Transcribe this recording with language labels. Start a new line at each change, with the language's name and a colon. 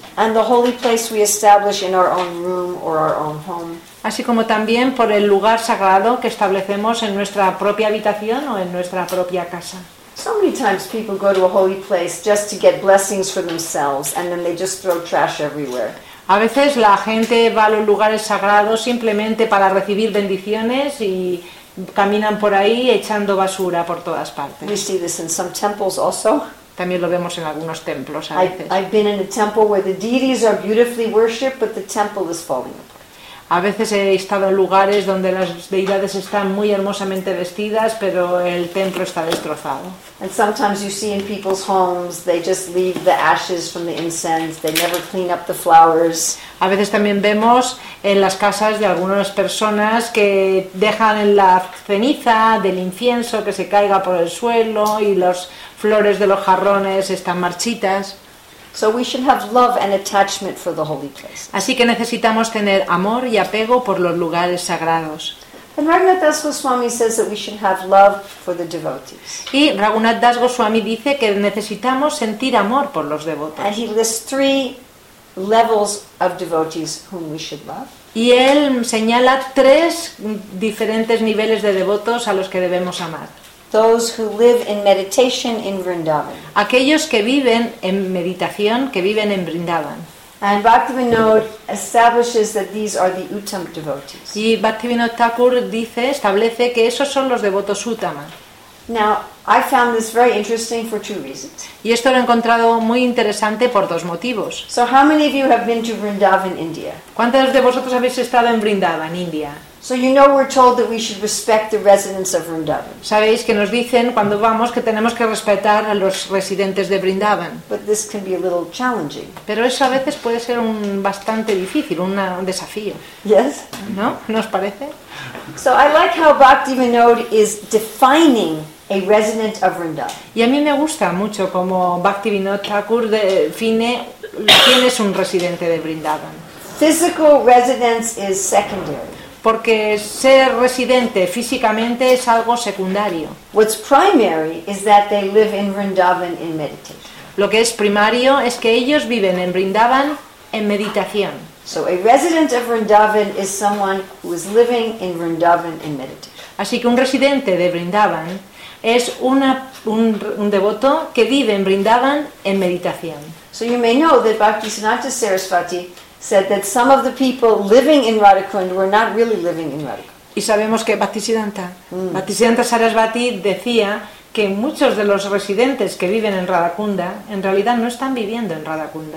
English: And the holy place we establish in our own room or our own home.
Spanish: Así como también por el lugar sagrado que establecemos en nuestra propia habitación o en nuestra propia casa.
English: So many times people go to a holy place just to get blessings for themselves and then they just throw trash everywhere.
Spanish: A veces la gente va a los lugares sagrados simplemente para recibir bendiciones y caminan por ahí echando basura por todas partes.
English: We see this in some temples also.
Spanish: También lo vemos en algunos templos a veces.
English: I've been in a temple where the deities are beautifully worshipped, but the temple is falling apart.
Spanish: A veces he estado en lugares donde las deidades están muy hermosamente vestidas, pero el templo está destrozado.
English: And sometimes you see in people's homes, they just leave the ashes from the incense, they never clean up the flowers.
Spanish: A veces también vemos en las casas de algunas personas que dejan la ceniza del incienso que se caiga por el suelo y las flores de los jarrones están marchitas.
English: So we should have love and attachment for the holy place.
Spanish: Así que necesitamos tener amor y apego por los lugares sagrados.
English: And Raghunath Das Goswami says that we should have love for the devotees.
Spanish: Y Raghunath Das Goswami dice que necesitamos sentir amor por los devotos.
English: And he lists three levels of devotees whom we should love.
Spanish: Y él señala tres diferentes niveles de devotos a los que debemos amar.
English: Those who live in meditation in Vrindavan.
Spanish: Aquellos que viven en meditación, que viven en Vrindavan.
English: And Bhaktivinoda establishes that these are the Uttam devotees.
Spanish: Y Bhaktivinoda Thakur dice, establece que esos son los devotos Uttama.
English: Now, I found this very interesting for two reasons.
Spanish: Y esto lo he encontrado muy interesante por dos motivos.
English: So how many of you have been to Vrindavan, India?
Spanish: ¿Cuántos de vosotros habéis estado en Vrindavan, India?
English: So you know we're told that we should respect the residents of Vrindavan.
Spanish: Sabéis que nos dicen cuando vamos que tenemos que respetar a los residentes de Vrindavan.
English: But this can be a little challenging.
Spanish: Pero eso a veces puede ser un bastante difícil, un desafío.
English: Yes.
Spanish: ¿No? ¿Nos parece?
English: So I like how Bhaktivinoda is defining a resident of Vrindavan.
Spanish: Y a mí me gusta mucho cómo Bhaktivinoda Thakur define quién es un residente de Vrindavan.
English: Physical residence is secondary.
Spanish: Porque ser residente físicamente es algo secundario.
English: What's primary is that they live in Vrindavan in meditation.
Spanish: Lo que es primario es que ellos viven en Vrindavan en meditación.
English: So a resident of Vrindavan is someone who is living in Vrindavan in meditation.
Spanish: Así que un residente de Vrindavan es un devoto que vive en Vrindavan en meditación.
English: So you may know that Bhaktisiddhanta Sarasvati said that some of the people living in Radhakund were not really living in Radhakund.
Spanish: Y sabemos que Bhaktisiddhanta Sarasvati decía que muchos de los residentes que viven en Radhakunda en realidad no están viviendo en Radhakunda.